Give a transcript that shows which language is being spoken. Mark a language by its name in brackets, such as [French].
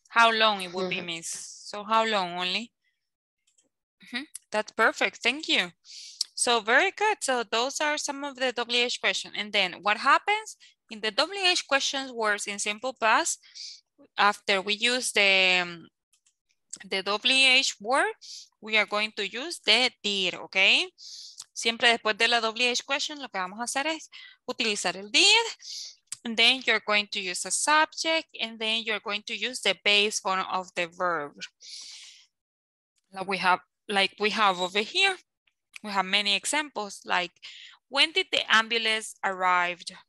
[English] How long it would be, Miss? So how long only? Mm-hmm. That's perfect. Thank you. So very good. So those are some of the WH questions. And then what happens in the WH questions words in simple past, after we use the WH word, we are going to use the did, okay? [Spanish] Siempre después de la WH question, lo que vamos a hacer es utilizar el did. [English] And then you're going to use a subject, and then you're going to use the base form of the verb. Like we have over here, we have many examples, like when did the ambulance arrive?